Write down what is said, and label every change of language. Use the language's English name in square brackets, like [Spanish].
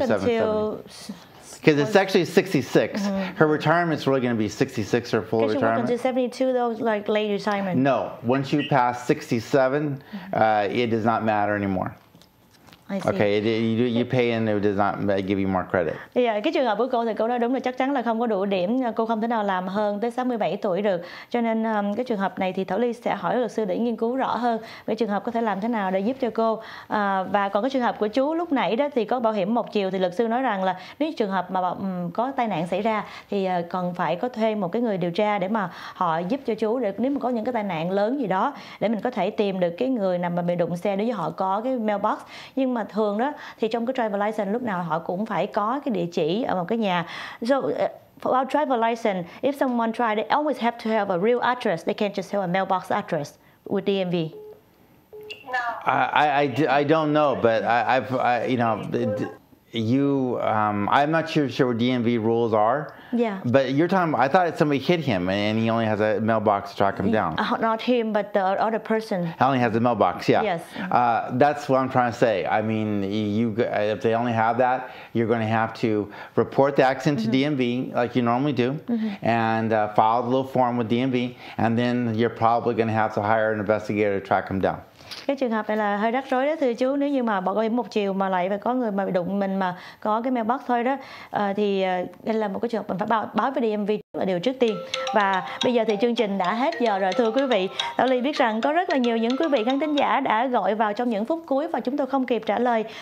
[English] 77. Because it's actually 66. Mm-hmm. Her retirement's really going to be 66 or full retirement. Can she work until 72 though, like late retirement? No. Once you pass 67, it does not matter anymore. Okay, you pay and it does not give you more credit. [Vietnamese] Yeah, cái trường hợp của cô thì cô nói đúng là chắc chắn là không có đủ điểm, cô không thể nào làm hơn tới 67 tuổi được. Cho nên cái trường hợp này thì Thảo Ly sẽ hỏi luật sư để nghiên cứu rõ hơn về trường hợp có thể làm thế nào để giúp cho cô. Và còn cái trường hợp của chú lúc nãy đó thì có bảo hiểm một chiều thì luật sư nói rằng là nếu trường hợp mà có tai nạn xảy ra thì còn phải có thuê một cái người điều tra để mà họ giúp cho chú để nếu mà có những cái tai nạn lớn gì đó để mình có thể tìm được cái người nằm mà bị đụng xe nếu như họ có cái mailbox. Nhưng mà thường đó thì trong cái driver license lúc nào họ cũng phải có cái địa chỉ ở một cái nhà. [English] So for our driver license, if someone try, they always have to have a real address. They can't just have a mailbox address with DMV. I don't know, but I'm not sure what DMV rules are. Yeah. But you're talking about, I thought somebody hit him and he only has a mailbox to track him down. Not him, but the other person. He only has a mailbox, yeah. Yes. That's what I'm trying to say. I mean, if they only have that, you're going to have to report the accident to DMV like you normally do and file the little form with DMV. And then you're probably going to have to hire an investigator to track him down. [Vietnamese] Cái trường hợp này là hơi rắc rối đó thưa chú, nếu như mà bảo hiểm một chiều mà lại phải có người mà bị đụng mình mà mà có cái mailbox thôi đó, thì đây là một cái trường hợp mình phải báo với DMV là điều trước tiên. Và bây giờ thì chương trình đã hết giờ rồi thưa quý vị. Thảo Ly biết rằng có rất là nhiều những quý vị khán thính giả đã gọi vào trong những phút cuối và chúng tôi không kịp trả lời.